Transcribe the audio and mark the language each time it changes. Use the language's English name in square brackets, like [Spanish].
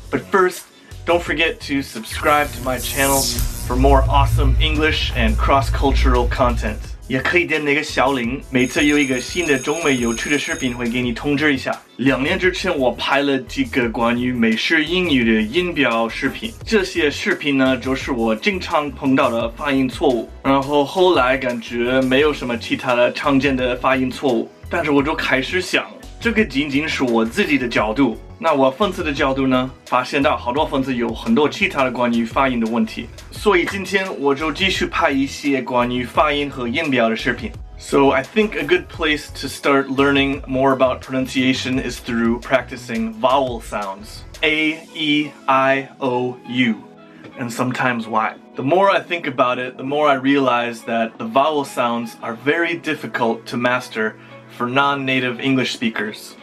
[English] But first, don't forget to subscribe to my channel for more awesome English and cross-cultural content. [Chinese] 也可以点那个小铃，每次有一个新的中美有趣的视频会给你通知一下。两年之前我拍了几个关于美式英语的音标视频，这些视频呢就是我经常碰到的发音错误，然后后来感觉没有什么其他的常见的发音错误，但是我就开始想，这个仅仅是我自己的角度，那我粉丝的角度呢，发现到好多粉丝有很多其他的关于发音的问题，所以今天我就继续拍一些关于发音和音标的视频。 [English] So I think a good place to start learning more about pronunciation is through practicing vowel sounds A, E, I, O, U and sometimes Y. The more I think about it, the more I realize that the vowel sounds are very difficult to masterfor non-native English speakers.